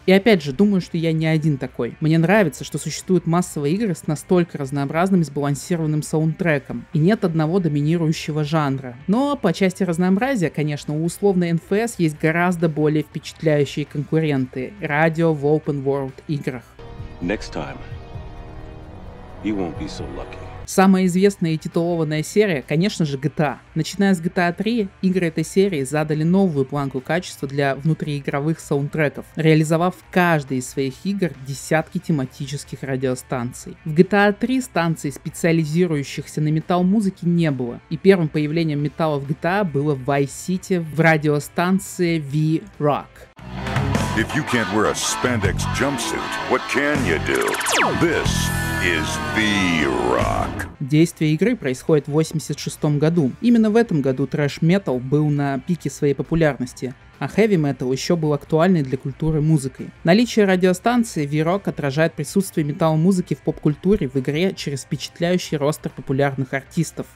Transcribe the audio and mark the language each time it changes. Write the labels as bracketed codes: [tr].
[ru] И опять же, думаю, что я не один такой. Мне нравится, что существуют массовые игры с настолько разнообразным и сбалансированным саундтреком, и нет одного доминирующего жанра. Но по части разнообразия, конечно, у условной NFS есть гораздо более впечатляющие конкуренты – Радио в Open World играх. [en] Next time, you won't be so lucky. [ru] Самая известная и титулованная серия, конечно же, GTA. Начиная с GTA 3, игры этой серии задали новую планку качества для внутриигровых саундтреков, реализовав в каждой из своих игр десятки тематических радиостанций. В GTA 3 станций, специализирующихся на метал-музыке, не было, и первым появлением металла в GTA было в Vice City в радиостанции V-Rock. [en] If you can't wear a spandex jumpsuit, what can you do? This is V-Rock. [ru] Действие игры происходит в 86 году. Именно в этом году трэш-метал был на пике своей популярности, а хэви-метал еще был актуальный для культуры музыкой. Наличие радиостанции V-Rock отражает присутствие метал-музыки в поп-культуре в игре через впечатляющий ростер популярных артистов.